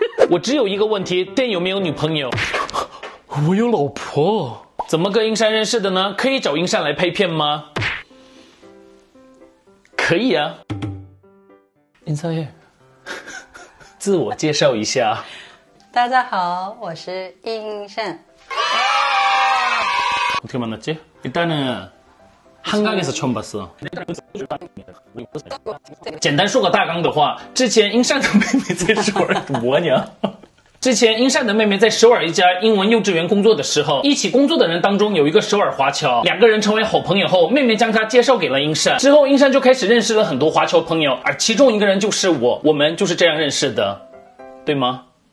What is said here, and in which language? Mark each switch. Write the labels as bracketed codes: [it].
[zh] 我只有一个问题，Dan有没有女朋友？我有老婆。怎么跟英山认识的呢？可以找英山来拍片吗？可以啊。英山，自我介绍一下。大家好，我是英山。 [ko] 어떻게 만났지? 일단은 한강에서 처음 봤어. [zh] 简单说个大纲的话，之前英山的妹妹在说什么呢？之前英善的妹妹在首尔一家英文幼稚园工作的时候，一起工作的人当中有一个首尔华侨，两个人成为好朋友后，妹妹将她介绍给了英善，之后英善就开始认识了很多华侨朋友，而其中一个人就是我，我们就是这样认识的，对吗？